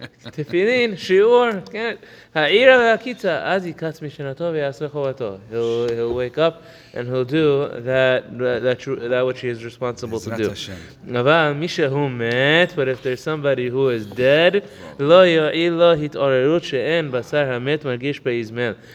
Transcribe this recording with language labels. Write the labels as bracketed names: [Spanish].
[Hebrew] תפילין, שיעור, העירה והקיצה, אז יקץ משנתו ויעשה חובתו. [English] He'll wake up and he'll do that which he is responsible to do. [Hebrew] אבל מי שהוא מת, [English] but if there's somebody who is dead, [Hebrew] לא יועיל לו התעוררות שאין בשר המת מרגיש באזמל.